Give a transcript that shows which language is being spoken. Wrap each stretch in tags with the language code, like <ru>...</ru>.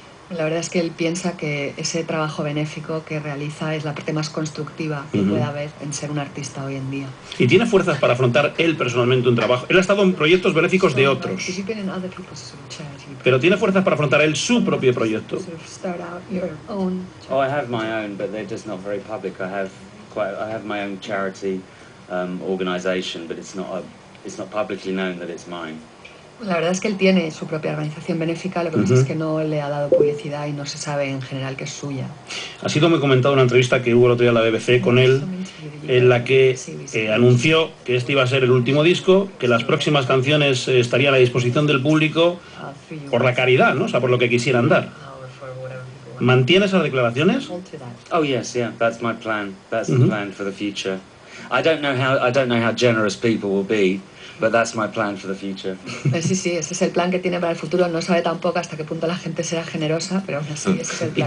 <es>La verdad es que él piensa que ese trabajo benéfico que realiza es la parte más constructiva que mm-hmm. puede haber en ser un artista hoy en día. Y tiene fuerzas para afrontar él personalmente un trabajo. Él ha estado en proyectos benéficos so de otros.</es> <en>Participate in other people's charity.</en> <es>Pero tiene fuerzas para afrontar él su propio proyecto.</es> <en>Oh, I have my own, but they're just not very public. I have my own charity organization, but it's not publicly known that it's mine.</en> <es>La verdad es que él tiene su propia organización benéfica, lo que pasa es que no le ha dado publicidad y no se sabe en general que es suya. Ha sido muy comentado en una entrevista que hubo el otro día en la BBC con él, en la que anunció que este iba a ser el último disco, que las próximas canciones estarían a disposición del público por la caridad, ¿no? O sea, por lo que quisieran dar. ¿Mantiene esas declaraciones?</es> <en>Oh, yes, yeah, that's my plan. That's the plan for the future. I don't know how generous people will be, but that's my plan for the future.</en> <es>Sí, sí, ese es el plan que tiene para el futuro. No sabe tampoco hasta qué punto la gente será generosa, pero aún así ese es el plan.</es>